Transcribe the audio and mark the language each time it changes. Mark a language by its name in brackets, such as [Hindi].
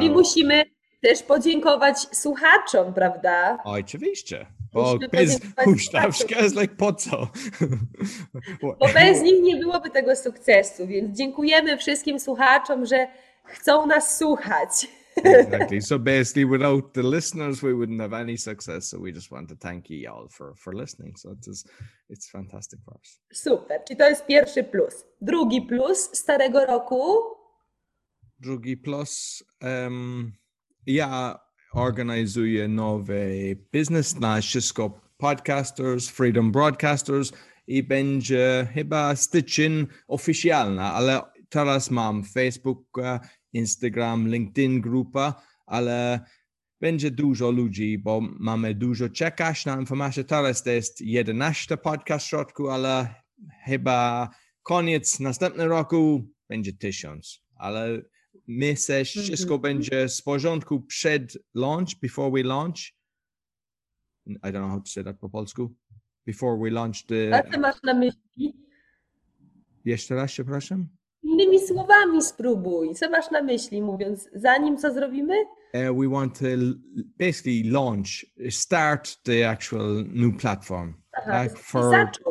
[Polish] I musimy też podziękować słuchaczom, prawda? Oczywiście. Bo bez huśtawczka jest like po co? Bo bez nich nie byłoby tego sukcesu, więc dziękujemy wszystkim słuchaczom, że chcą nas słuchać. [English] Exactly. So basically without the listeners we wouldn't have any success, so we just want to thank you all for listening. So it's fantastic for us. [Polish] Super. Czyli to jest pierwszy plus. Drugi plus starego roku? Drugi plus ja organizuje nowy biznes na wszystko podcasters, Freedom Broadcasters i będzie chyba styczeń oficjalna, ale teraz mam Facebook, Instagram, LinkedIn grupa, ale będzie dużo ludzi, bo mamy dużo czekać na informację. Teraz to jest 11 podcast roku, ale chyba koniec następnego roku będzie 1000, ale... Myślisz, wszystko będzie z porządku przed launch, [English] before we launch? I don't know how to say that [Polish] po polsku. [English] Before we launch the... [Polish] A co masz na myśli? Jeszcze raz, przepraszam? Innymi słowami spróbuj. Co masz na myśli, mówiąc, zanim co zrobimy? [English] We want to basically start the actual new platform, like for